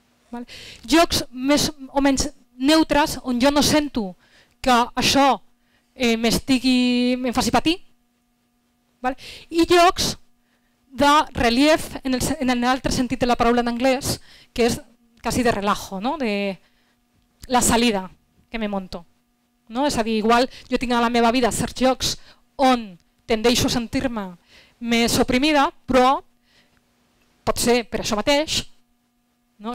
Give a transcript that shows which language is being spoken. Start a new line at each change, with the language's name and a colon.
Catalan: Vale? Jocs més o menys neutres on jo no sento que això em faci patir. Vale? I jocs de relief en l'altre sentit de la paraula en anglès, que és quasi de relajo, no?
Spanish: De la salida que me monto. No?
Catalan: És a dir, igual jo tinc a la meva vida certs jocs on tendeixo a sentir-me més oprimida, però pot ser per això mateix, no?